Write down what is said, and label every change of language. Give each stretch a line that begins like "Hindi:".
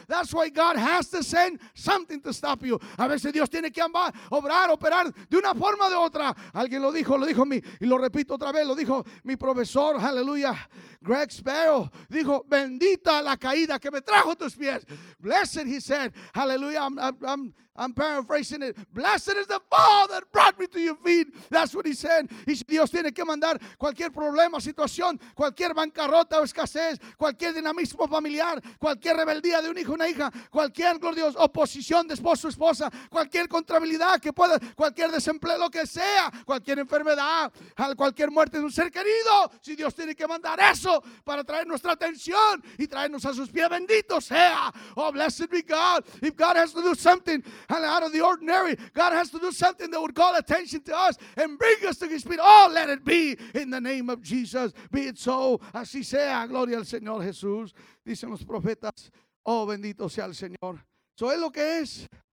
English: That's why God has to send something to stop you.
Spanish: A veces Dios tiene que operar de una forma o de otra. Alguien lo dijo a mí. Y lo repito otra vez. Lo dijo mi profesor. Hallelujah. Greg Sparrow dijo, bendita la caída que me trajo tus pies.
English: Blessed, he said, hallelujah, I'm paraphrasing it. Blessed is the fall that brought me to your feet. That's what he said.
Spanish: Y si Dios tiene que mandar cualquier problema, situación, cualquier bancarrota o escasez, cualquier dinamismo familiar, cualquier rebeldía de un hijo o una hija, cualquier, gloria a Dios, oposición de esposo o esposa, cualquier contrabilidad que pueda, cualquier desempleo, lo que sea, cualquier enfermedad, cualquier muerte de un ser querido, si Dios tiene que mandar eso para traer nuestra atención y traernos a sus pies, bendito sea.
English: Oh, blessed be God. If God has to do something out of the ordinary, God has to do something that would call attention to us and bring us to his feet. Oh, let it be in the name of Jesus. Be it so.
Spanish: Así sea. Gloria al Señor Jesús. Dicen los profetas. Oh, bendito sea el Señor. So es lo que es.